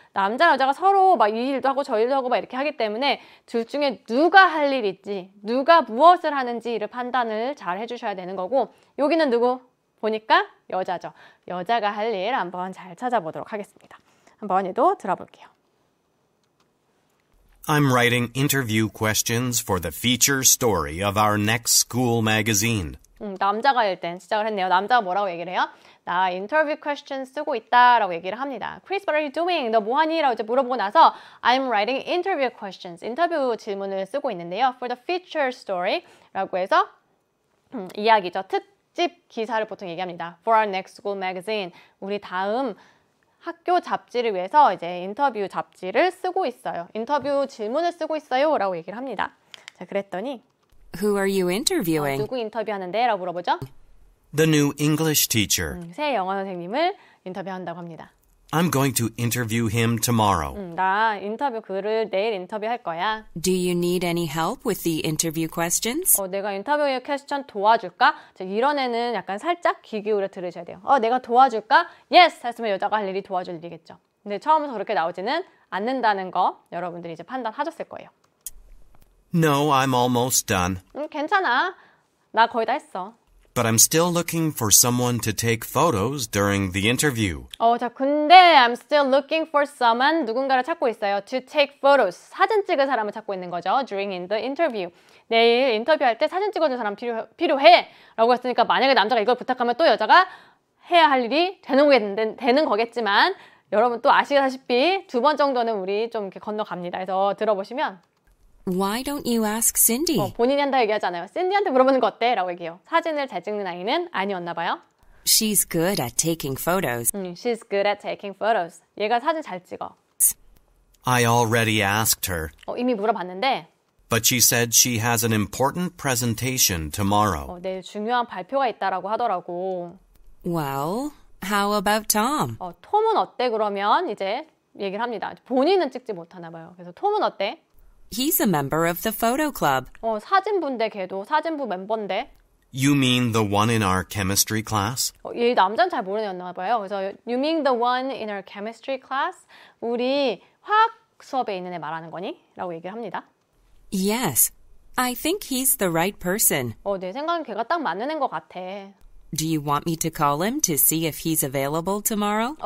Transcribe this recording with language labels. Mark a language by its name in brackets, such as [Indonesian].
[Korean] 남자 여자가 서로 막 이 일도 하고 저 일도 하고 막 이렇게 하기 때문에 둘 중에 누가 할 일인지 누가 무엇을 하는지를 판단을 잘 해주셔야 되는 거고 여기는 누구? 보니까 여자죠. 여자가 할 일 한번 잘 찾아보도록 하겠습니다. 한번 얘도 들어볼게요. [English] I'm writing interview questions for the feature story of our next school magazine. [Korean] 남자가 일단 시작을 했네요. 남자가 뭐라고 얘기를 해요? 나 interview questions 쓰고 있다라고 얘기를 합니다. [English] Chris, what are you doing? [Korean] 너 뭐하니? 라고 이제 물어보고 나서 [English] I'm writing interview questions. [Korean] 인터뷰 질문을 쓰고 있는데요. [English] For the feature story [Korean] 라고 해서 이야기죠. 특집 기사를 보통 얘기합니다. [English] For our next school magazine. [Korean] 우리 다음 학교 잡지를 위해서 이제 인터뷰 잡지를 쓰고 있어요. 인터뷰 질문을 쓰고 있어요. 라고 얘기를 합니다. 자, 그랬더니 [English] Who are you interviewing? [Korean] 누구 인터뷰하는데? 라고 물어보죠. [English] The new English teacher. [Korean] 새 영어 선생님을 인터뷰한다고 합니다. [English] I'm going to interview him tomorrow. [Korean] 나 인터뷰 그를 내일 인터뷰할 거야. [English] Do you need any help with the interview questions? [Korean] 내가 인터뷰의 퀘스천 도와줄까? 자, 이런 애는 약간 살짝 귀 기울여 들으셔야 돼요. 내가 도와줄까? Yes! 했으면 여자가 할 일이 도와줄 일이겠죠. 근데 처음부터 그렇게 나오지는 않는다는 거 여러분들이 이제 판단하셨을 거예요. [English] No, I'm almost done. [Korean] 괜찮아. 나 거의 다 했어. [English] But I'm still looking for someone to take photos during the interview. [Korean] 자, 근데 [English] I'm still looking for someone, [Korean] 누군가를 찾고 있어요. [English] To take photos, [Korean] 사진 찍을 사람을 찾고 있는 거죠. [English] During the interview. [Korean] 내일 인터뷰할 때 사진 찍어줄 사람 필요해! 라고 했으니까 만약에 남자가 이걸 부탁하면 또 여자가 해야 할 일이 되는 거겠지만 여러분 또 아시다시피 두 번 정도는 우리 좀 이렇게 건너갑니다. 그래서 들어보시면 [English] Why don't you ask Cindy? [Korean] 본인이 한다 얘기하잖아요. Cindy한테 물어보는 거 어때? 라고 얘기해요. 사진을 잘 찍는 아이는 아니었나 봐요. [English] She's good at taking photos. She's good at taking photos. [Korean] 얘가 사진 잘 찍어. [English] I already asked her. [Korean] 이미 물어봤는데. [English] But she said she has an important presentation tomorrow. [Korean] 내일 중요한 발표가 있다라고 하더라고. [English] Well, how about Tom? [Korean] 톰은 어때? 그러면 이제 얘기를 합니다. 본인은 찍지 못하나 봐요. 그래서 톰은 어때? [English] He's a member of the photo club. [Korean] 사진부인데 걔도 사진부 멤버인데. [English] You mean the one in our chemistry class? [Korean] 얘 남자는 잘 모르겠나 봐요. 그래서 [English] you mean the one in our chemistry class? [Korean] 우리 화학 수업에 있는 애 말하는 거니? 라고 얘기를 합니다. [English] Yes. I think he's the right person. [Korean] 내 생각엔 걔가 딱 맞는 것 같아. [English] Do you want me to call him to see if he's available tomorrow?